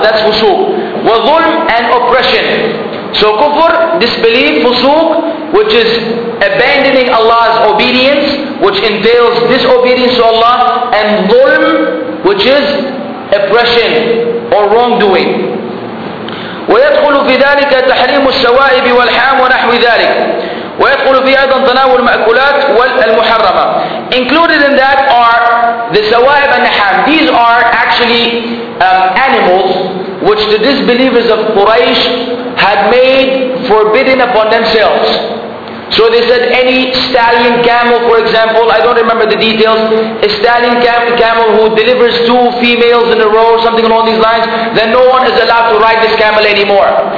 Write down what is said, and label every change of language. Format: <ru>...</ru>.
<en>That's fusuq. Wa dhulm, and oppression. So kufr, disbelief, fusuq, which is abandoning Allah's obedience, which entails disobedience to Allah, and dhulm, which is oppression or wrongdoing.</en> <ar>ويدخل في ذلك تحريم السوائب والحام ونحو ذلك ويدخل في أيضا تناول المأكولات والمحرمة.</ar> <en>Included in that are the sawaib and haam. These are actually animals which the disbelievers of Quraysh had made forbidden upon themselves. So they said any stallion camel, for example, I don't remember the details, a stallion camel who delivers two females in a row or something along these lines, then no one is allowed to ride this camel anymore.</en>